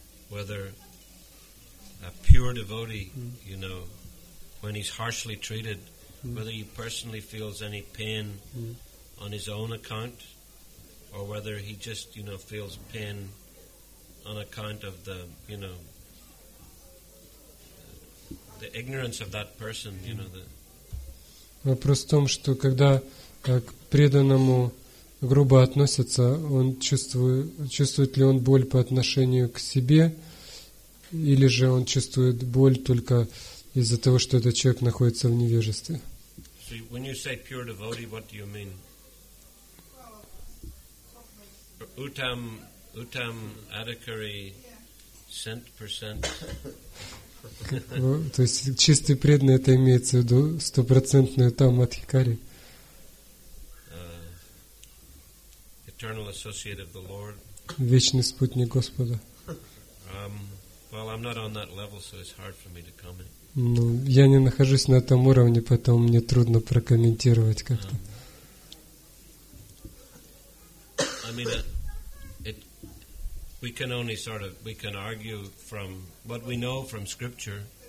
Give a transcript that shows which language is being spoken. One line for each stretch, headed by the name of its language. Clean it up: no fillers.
English: Whether a pure devotee, you know, when he's harshly treated, whether he personally feels any pain on his own account, or whether he just, you know, feels pain on account of the, you know, the ignorance of that person, you know.
Russian: Вопрос в том, что когда к преданному грубо относятся, он чувствует ли он боль по отношению к себе, или же он чувствует боль только из-за того, что этот человек находится в невежестве.
English: So when you say pure devotee, what do you mean? Uttam adhikari, 100%.
Russian: То есть чистый преданный, это имеется в виду стопроцентную там Мадхикари.
English: Eternal associate of the Lord.
Russian: Вечный спутник Господа.
English: Well, I'm not on that level, so it's hard for me to comment.
Russian: Ну, я не нахожусь на этом уровне, поэтому мне трудно прокомментировать как-то.
English: I mean, we can only sort of we can argue from what we know from scripture.